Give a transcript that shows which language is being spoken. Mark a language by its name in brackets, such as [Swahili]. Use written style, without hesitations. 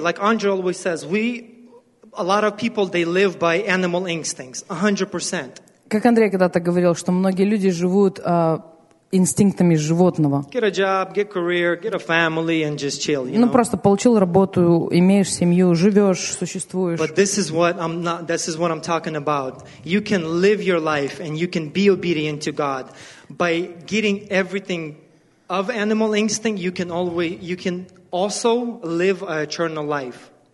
[English] Like Andre always says, a lot of people they live by animal instincts, 100%. [Russian] Как Андрей когда-то говорил, что многие люди живут инстинктами животного. [English] Get a job, get career, get a family, and just chill. [Russian] Ну просто получил работу, имеешь семью, живешь, существуешь. [English] But this is what I'm talking about. You can live your life and you can be obedient to God by getting everything of animal instinct. You can also live an eternal life.